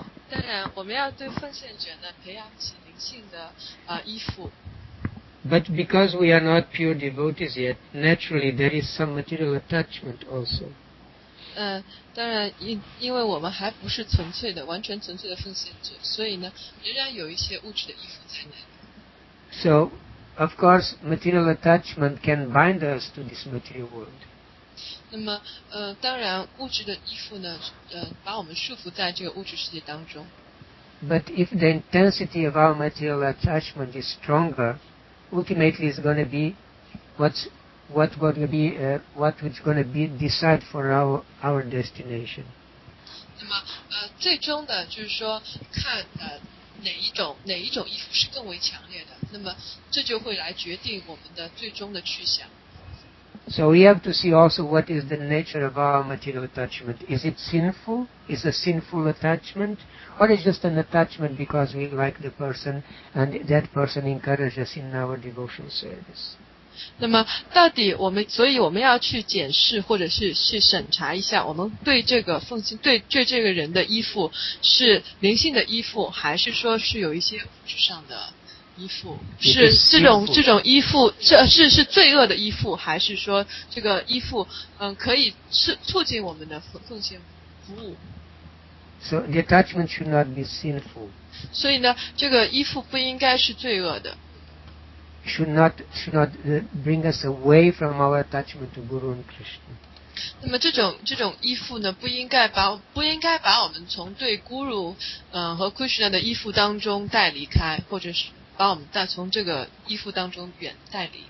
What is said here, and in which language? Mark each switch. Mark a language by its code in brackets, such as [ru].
[zh] 当然，我们要对奉献者呢培养起灵性的依附。 [en] But because we are not pure devotees yet, naturally there is some material attachment also. [zh] 当然因为我们还不是纯粹的完全纯粹的奉献者，所以呢仍然有一些物质的依附在那里。 [en] So, of course, material attachment can bind us to this material world. [zh] 那么当然物质的依附呢把我们束缚在这个物质世界当中。 [en] But if the intensity of our material attachment is stronger, ultimately it's going to be what's going to be decide for our destination. [zh] 那么最终的就是说看哪一种依附是更为强烈的，那么这就会来决定我们的最终的去向。 [en] So we have to see also what is the nature of our material attachment. Is it sinful? Is a sinful attachment? Or is just an attachment because we like the person and that person encourages in our devotional service? [zh] 那么到底所以我们要去检视或者是去审查一下我们对这个奉献对这个人的依附是灵性的依附还是说是有一些物质上的依附，是这种依附是罪恶的依附还是说这个依附可以促进我们的奉献服务。 [en] So the attachment should not be sinful. [zh] 所以呢这个依附不应该是罪恶的。 [en] should not bring us away from our attachment to Guru and Krishna. [zh] 那么这种依附呢，不应该把我们从对 Guru 和 Krishna 的依附当中带离开，或者是把我们带从这个依附当中远带离。